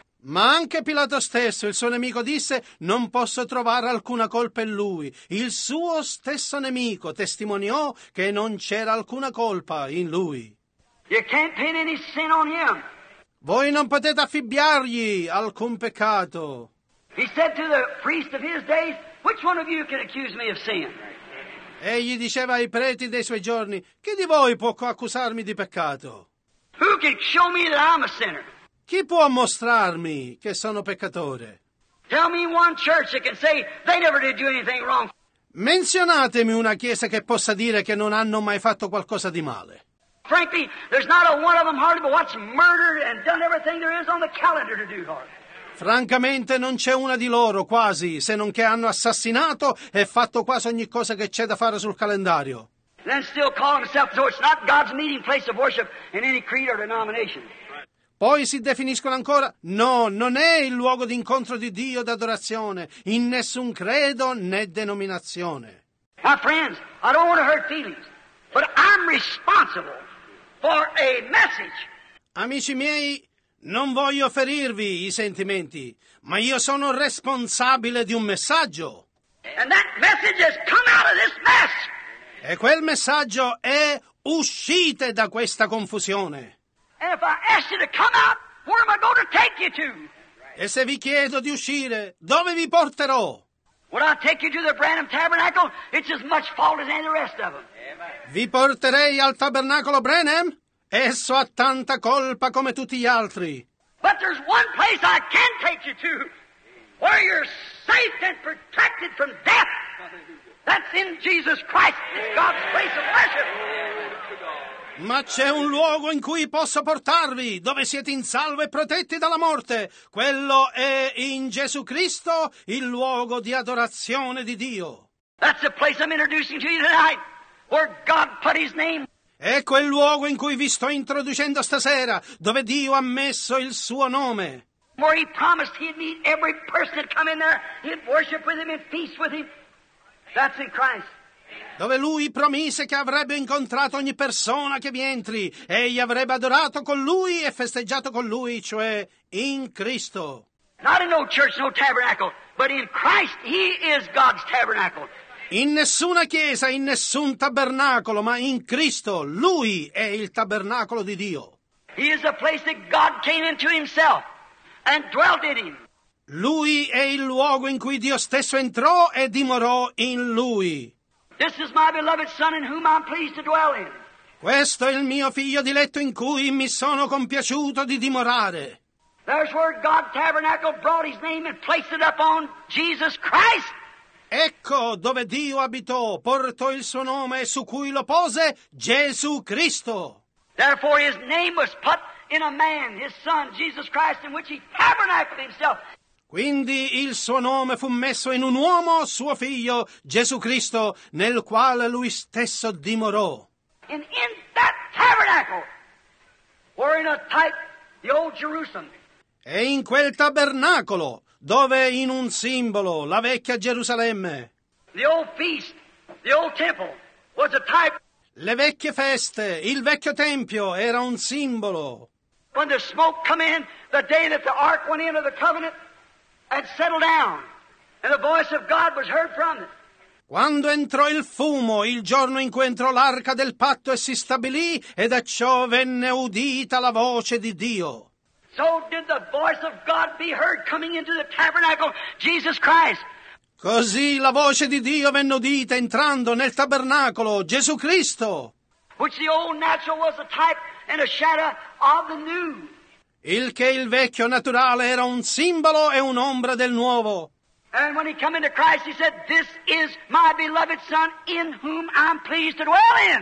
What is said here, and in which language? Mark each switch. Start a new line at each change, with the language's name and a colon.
Italian: Ma anche Pilato stesso, il suo nemico, disse, non posso trovare alcuna colpa in lui. Il suo stesso nemico testimoniò che non c'era alcuna colpa in lui.
English: You can't pin any sin on him.
Italian: Voi non potete affibbiargli alcun peccato.
English: He said to the priest of his days, which one of you can accuse me of sin?
Italian: Egli diceva ai preti dei suoi giorni, chi di voi può accusarmi di peccato?
English: Who can show me that I'm a sinner?
Italian: Chi può mostrarmi che sono peccatore?
English: Tell me one church that can say they never did do anything wrong.
Italian: Menzionatemi una chiesa che possa dire che non hanno mai fatto qualcosa di male.
English: Frankly, there's not a one of them hardly but what's murdered and done everything there is on the calendar to do hard.
Italian: Francamente non c'è una di loro, quasi, se non che hanno assassinato e fatto quasi ogni cosa che c'è da fare sul calendario.
English: Then still call himself, so it's not God's meeting place of worship in any creed or denomination.
Italian: Poi si definiscono ancora, no, non è il luogo d'incontro di Dio d'adorazione, in nessun credo né denominazione.
English: My friends, I don't want to hurt feelings, but I'm responsible for a message.
Italian: Amici miei, non voglio ferirvi i sentimenti, ma io sono responsabile di un messaggio.
English: And that message has come out of this mess.
Italian: E quel messaggio è uscite da questa confusione.
English: And if I ask you to come out, where am I going to take you to?
Italian: E se vi chiedo di uscire, dove vi porterò?
English: Would I take you to the Branham Tabernacle? It's as much fault as any rest of them.
Italian: Vi porterei al tabernacolo Branham? Esso ha tanta colpa come tutti gli altri.
English: But there's one place I can take you to, where you're safe and protected from death. That's in Jesus Christ, God's place of worship.
Italian: Ma c'è un luogo in cui posso portarvi, dove siete in salvo e protetti dalla morte. Quello è in Gesù Cristo, il luogo di adorazione di Dio.
English: That's the place I'm introducing to you tonight, where God put his name.
Italian: È quel luogo in cui vi sto introducendo stasera, dove Dio ha messo il suo nome.
English: Where he promised he'd meet every person that come in there, he'd worship with him and feast with him. That's in Christ.
Italian: Dove lui promise che avrebbe incontrato ogni persona che vi entri e gli avrebbe adorato con lui e festeggiato con lui, cioè in Cristo.
English: Not in no church, no tabernacle, but in Christ he is God's tabernacle.
Italian: In nessuna chiesa, in nessun tabernacolo, ma in Cristo lui è il tabernacolo di Dio.
English: He is the place that God came into himself and dwelt in him.
Italian: Lui è il luogo in cui Dio stesso entrò e dimorò in lui.
English: This is my beloved son in whom I'm pleased to dwell in.
Italian: Questo è il mio figlio diletto in cui mi sono compiaciuto di dimorare.
English: There's where God tabernacle brought his name and placed it upon Jesus Christ.
Italian: Ecco dove Dio abitò, portò il suo nome e su cui lo pose Gesù Cristo.
English: Therefore his name was put in a man, his son Jesus Christ, in which he tabernacled himself.
Italian: Quindi il suo nome fu messo in un uomo, suo figlio, Gesù Cristo, nel quale lui stesso dimorò.
English: And in that tabernacle, we're in a type, the old Jerusalem.
Italian: E in quel tabernacolo, dove in un simbolo, la vecchia Gerusalemme.
English: The old feast, the old temple, was a type.
Italian: Le vecchie feste, il vecchio tempio, era un simbolo.
English: When the smoke come in, the day that the ark went into the covenant, and settled down, and the voice of God was heard from it.
Italian: Quando entrò il fumo, il giorno in cui entrò l'arca del patto e si stabilì, e da ciò venne udita la voce di Dio.
English: So did the voice of God be heard coming into the tabernacle, Jesus Christ.
Italian: Così la voce di Dio venne udita entrando nel tabernacolo, Gesù Cristo.
English: Which the old natural was a type and a shadow of the new.
Italian: Il che il vecchio naturale era un simbolo e un'ombra del nuovo.
English: And when he came into Christ, he said, this is my beloved son in whom I'm pleased to dwell in.